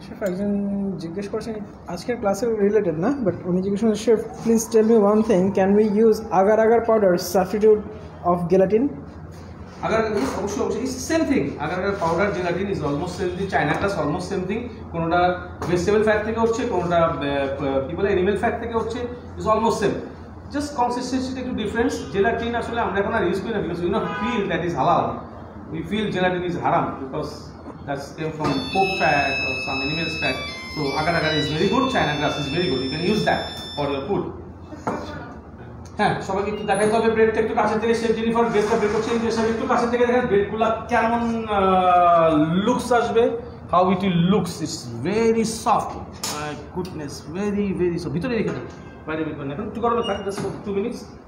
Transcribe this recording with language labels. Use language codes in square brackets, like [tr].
[bn] একজন জিজ্ঞেস করছেন, আজকের ক্লাসের রিলেটেড না, বাট উনি জিজ্ঞেস করছেন, chef [en] Please tell me one thing, can we use agar agar powder substitute of gelatin? [bn] Agar অবশ্যই অবশ্যই same thing, [en] agar agar powder gelatin is almost same thing, [bn] China class almost same thing, কোনোটা vegetable fat থেকে হচ্ছে, কোনোটা কি বলে animal fat থেকে হচ্ছে, [en] is almost same, [bn] জাস্ট কনসিস্টেন্সিটা একটু ডিফারেন্স। জেলাটিন আসলে আমরা এখন আর ইউজ করি না, [en] Because we not feel that is হালাল, we feel gelatin is হারাম, because that's came from pork fat or some animal fat, so agar agar is very good, china grass is very good, you can use that for your food. [bn] হ্যাঁ সবাইকে একটু দেখাইতে হবে ব্রেডটা একটু কাছে থেকে chef Jennifer ব্রেডটা বের করছেন যে সবাই একটু কাছে থেকে দেখেন ব্রেডগুলো কেমন লুকস আসবে [en] how it looks it's very soft [bn] my goodness very very soft ভিতরে রেখে দিন বাইরে বের করেন এখন একটু গরমে থাক [en] just for two minutes